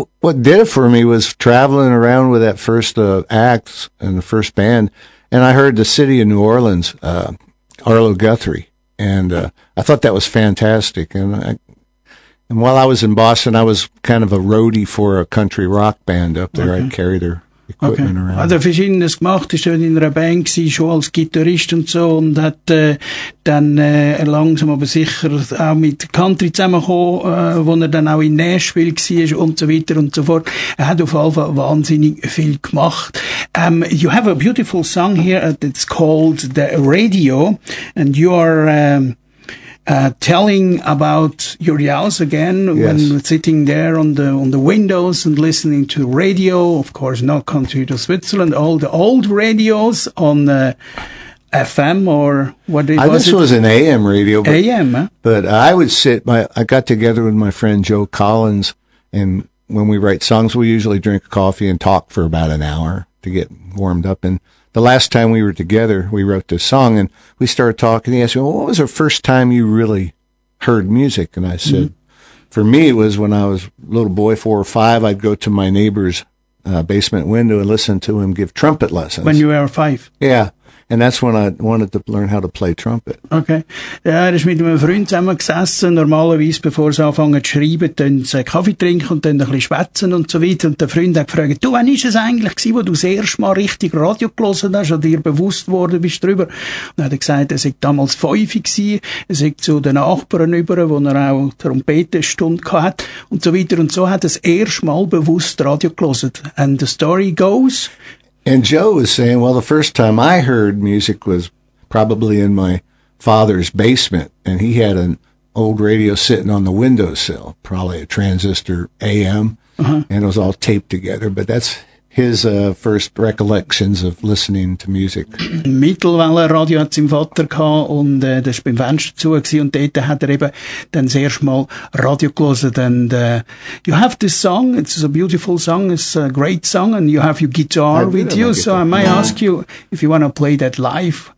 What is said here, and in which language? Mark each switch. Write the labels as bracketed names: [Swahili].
[English] What did it for me was traveling around with that first act and the first band, and I heard the city of New Orleans, Arlo Guthrie, and I thought that was fantastic. And while I was in Boston, I was kind of a roadie for a country rock band up there. Okay. I'd carry their equipment okay. around. [German] Hat er verschiedenes gemacht, ist schon in einer Band gewesen, schon als Gitarrist und so, und hat dann langsam aber sicher auch mit Country zusammengekommen, wo er dann auch in Nashville gewesen ist und so weiter und so fort. Er hat auf jeden Fall wahnsinnig viel gemacht. [English] You have a beautiful song here, it's called The Radio, and you are telling about your house again, yes, when sitting there on the windows and listening to radio, of course not country to Switzerland, all the old radios on FM or what it was. This was an AM radio. But I would sit. I got together with my friend Joe Collins, and when we write songs, we usually drink coffee and talk for about an hour to get warmed up. And the last time we were together, we wrote this song, and we started talking. He asked me, well, what was the first time you really heard music? And I said, for me, it was when I was a little boy, 4 or 5, I'd go to my neighbor's basement window and listen to him give trumpet lessons. When you were 5? Yeah. And that's when I wanted to learn how to play trumpet. Okay. [German] Ja, er ist mit einem Freund zusammen gesessen, normalerweise, bevor sie anfangen zu schreiben, dann Kaffee trinken und dann ein bisschen schwätzen und so weiter. Und der Freund hat gefragt, du, wann ist es eigentlich gewesen, wo du das erste Mal richtig Radio gelassen hast und dir bewusst worden bist darüber? Und er hat gesagt, er sei damals 5 gewesen, er sei zu den Nachbarn über, wo er auch Trompetenstunde gehabt hat und so weiter. Und so hat er das erste Mal bewusst Radio gelassen. [English] And the story goes, and Joe was saying, well, the first time I heard music was probably in my father's basement, and he had an old radio sitting on the windowsill, probably a transistor AM, and it was all taped together, but that's his first recollections of listening to music. [German] Mittelwellenradio hat sein Vater gehabt, und das war beim Fenster zu gewesen, und dort hat er eben dann das erste Mal Radio gehört. [English] And you have this song, it's a beautiful song, it's a great song, and you have your guitar with you, so I might ask you if you want to play that live.